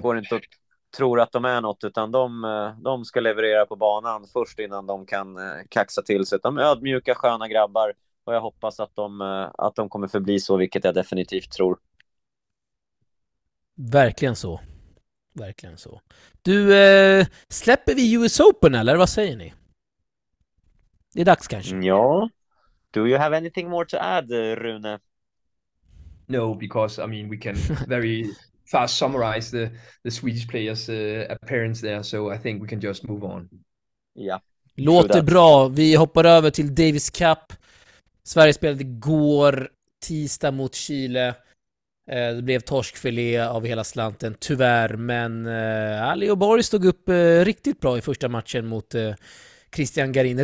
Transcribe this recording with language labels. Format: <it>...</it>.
<sv>går inte och tror att de är något, utan de ska leverera på banan först innan de kan kaxa till sig. De är ödmjuka, sköna grabbar och jag hoppas att de kommer förbli så, vilket jag definitivt tror. Verkligen så. Verkligen så. Du, släpper vi US Open eller vad säger ni? Det är dags kanske.</sv> <en>Ja, do you have anything more to add, Rune? No, because I mean we can very fast summarize the Swedish players' appearance there, so I think we can just move on. Ja, true</en> <sv>Låter</sv> <en>that.</en> <sv>bra. Vi hoppar över till Davis Cup. Sverige spelade igår tisdag mot Chile. Det blev torskfilé av hela slanten, tyvärr. Men Ali och Borg stod upp riktigt bra i första matchen mot Christian Garin.</sv>